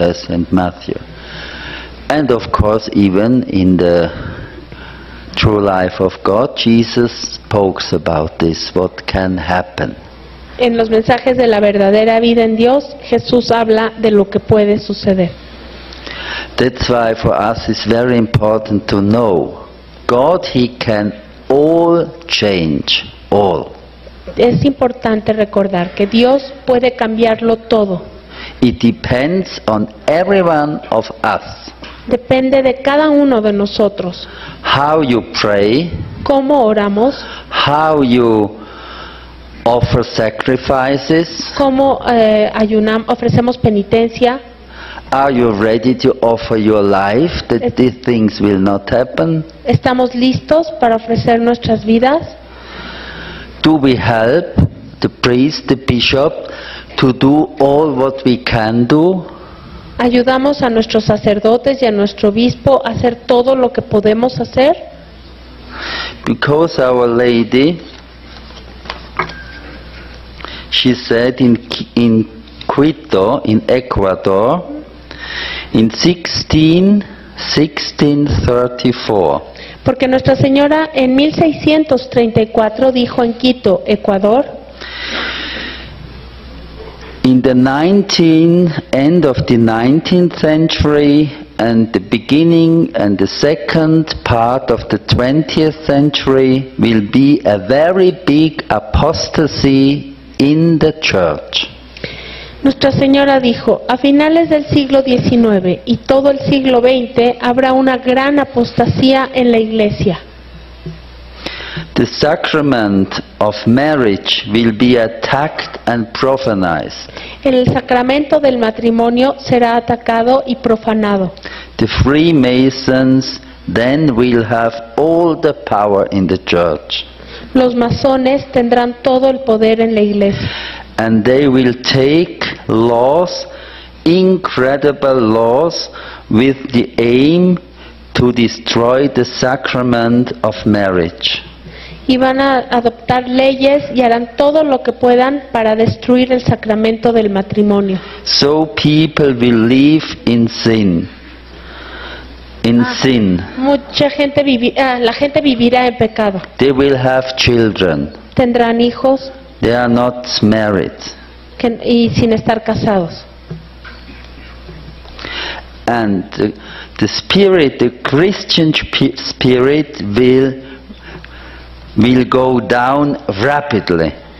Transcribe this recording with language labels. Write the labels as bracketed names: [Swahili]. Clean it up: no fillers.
[English] Lucas, yes, and Matthew. And of course, even in the true life of God, Jesus spoke about this, what can happen. [Spanish] En los mensajes de la verdadera vida en Dios, Jesús habla de lo que puede suceder. [English] That's why for us it's very important to know God, he can all change, all. [Spanish] Es importante recordar que Dios puede cambiarlo todo. [English] It depends on every one of us. [Spanish] Depende de cada uno de nosotros. [English] How you pray. [Spanish] Cómo oramos. [English] How you offer sacrifices. [Spanish] Cómo ofrecemos penitencia. [English] Are you ready to offer your life that these things will not happen? [Spanish] ¿Estamos listos para ofrecer nuestras vidas? [English] Do we help the priest, the bishop, to do all what we can do? [Spanish] ¿Ayudamos a nuestros sacerdotes y a nuestro obispo a hacer todo lo que podemos hacer? [English] Because Our Lady, she said in Quito in Ecuador in 1634. [Spanish] Porque Nuestra Señora en 1634 dijo en Quito, Ecuador. [English] In the 19th, end of the 19th century and the beginning and the second part of the 20th century will be a very big apostasy in the church. [Spanish] Nuestra Señora dijo, a finales del siglo XIX y todo el siglo XX habrá una gran apostasía en la Iglesia. [English] The sacrament of marriage will be attacked and profanized. [Spanish] El sacramento del matrimonio será atacado y profanado. [English] The Freemasons then will have all the power in the church. [Spanish] Los masones tendrán todo el poder en la Iglesia. [English] And they will take laws, incredible laws, with the aim to destroy the sacrament of marriage. [Spanish] Y van a adoptar leyes y harán todo lo que puedan para destruir el sacramento del matrimonio. [English] So people will live in sin. In sin. [Spanish] La gente vivirá en pecado. [English] They will have children. [Spanish] Tendrán hijos. [English] They are not married. [Spanish] Y sin estar casados. [English] And the spirit, the Christian spirit, will go down rapidly.